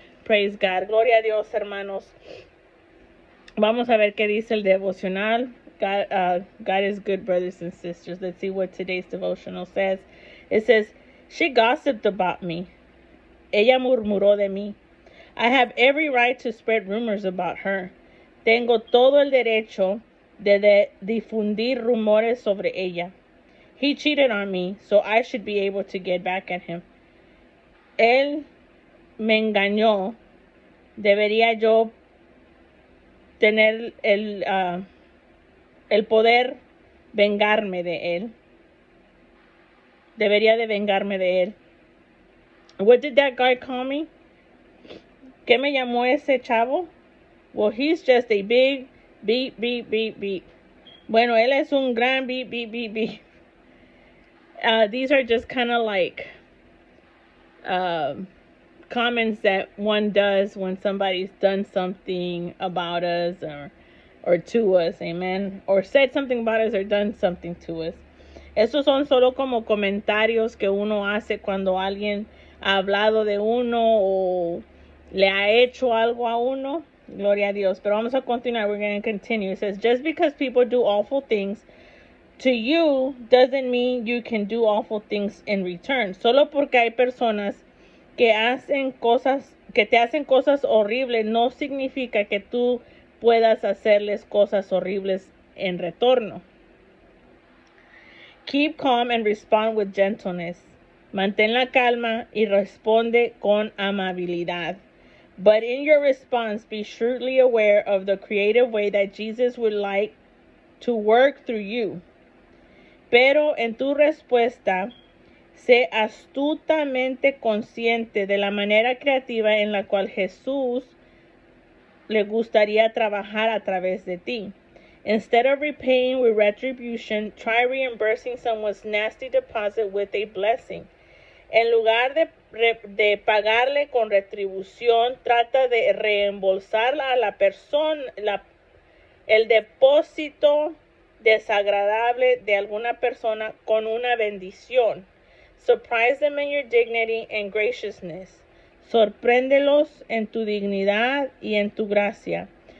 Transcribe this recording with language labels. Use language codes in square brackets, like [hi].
[en] Praise God. [es] Gloria a Dios, hermanos. Vamos a ver qué dice el devocional. [en] God is good, brothers and sisters. Let's see what today's devotional says. It says, she gossiped about me. [es] Ella murmuró de mí. [en] I have every right to spread rumors about her. [es] Tengo todo el derecho de difundir rumores sobre ella. [en] He cheated on me, so I should be able to get back at him. [es] Él me engañó. Debería yo tener el poder vengarme de él. Debería de vengarme de él. [en] What did that guy call me? [es] ¿Qué me llamó ese chavo? [en] Well, he's just a big beep, beep, beep, beep. [es] Bueno, él es un gran beep, beep, beep, beep. [en] These are just kind of like comments that one does when somebody's done something about us or to us, amen, or said something about us or done something to us. [es] Esos son solo como comentarios que uno hace cuando alguien ha hablado de uno o le ha hecho algo a uno. Gloria a Dios. Pero vamos a continuar. [en] We're going to continue. It says, just because people do awful things to you doesn't mean you can do awful things in return. [es] Solo porque hay personas que te hacen cosas horribles no significa que tú puedas hacerles cosas horribles en retorno. [en] Keep calm and respond with gentleness. [es] Mantén la calma y responde con amabilidad. [en] But in your response, be shrewdly aware of the creative way that Jesus would like to work through you. [es] Pero en tu respuesta, sé astutamente consciente de la manera creativa en la cual Jesús le gustaría trabajar a través de ti. [en] Instead of repaying with retribution, try reimbursing someone's nasty deposit with a blessing. [es] En lugar de pagarle con retribución, trata de reembolsar a la persona el depósito desagradable de alguna persona con una bendición. [en] Surprise them in your dignity and graciousness. [es] Sorpréndelos en tu dignidad y en tu gracia.